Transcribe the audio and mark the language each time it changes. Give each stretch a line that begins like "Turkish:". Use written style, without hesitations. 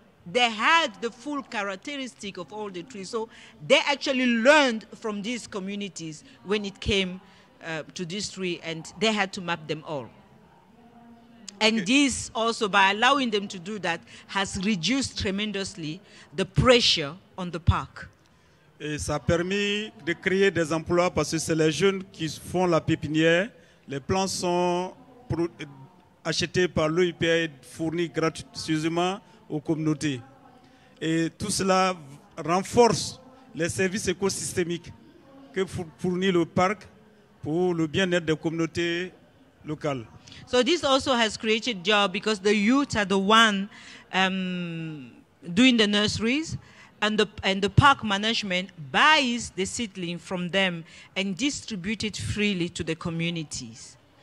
English: They had the full characteristic of all the trees. So they actually learned from these communities when it came to this tree, and they had to map them all. And this also, by allowing them to do that, has reduced tremendously the pressure on the park.
French: Et ça a permis de créer des emplois parce que c'est les jeunes qui font la pépinière. Les plants sont achetés par l'OIP et fournis gratuitement aux communautés. Et tout cela renforce les services écosystémiques que fournit le parc pour le bien-être des communautés locales.
English: So this also has created jobs because the youth are the one doing the nurseries. And the park management buys the seedling from them and distributes it freely to the communities.